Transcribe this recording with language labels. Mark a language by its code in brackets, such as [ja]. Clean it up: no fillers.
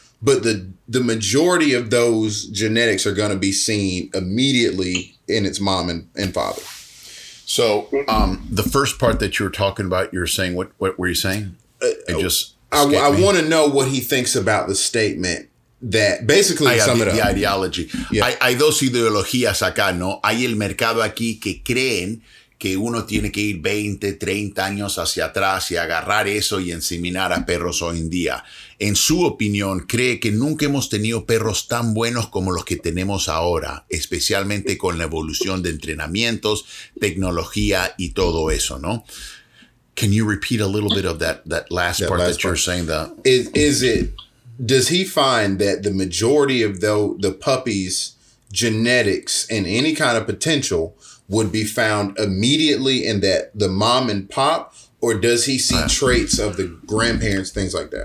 [en] But the majority of those genetics are going to be seen immediately in its mom and father. So the first part that you were talking about, you were saying, what were you saying? I want to know what he thinks about the statement that basically the ideology. Yeah. [es] Hay dos ideologías acá, ¿no? Hay el mercado aquí que creen que uno tiene que ir 20, 30 años hacia atrás y agarrar eso y inseminar a perros hoy en día. En su opinión, cree que nunca hemos tenido perros tan buenos como los que tenemos ahora, especialmente con la evolución de entrenamientos, tecnología y todo eso, ¿no? [en] Can you repeat a little bit of that last part that you're saying? Does he find that the majority of the puppy's genetics and any kind of potential would be found immediately in that the mom and pop, or does he see traits of the grandparents, things like that?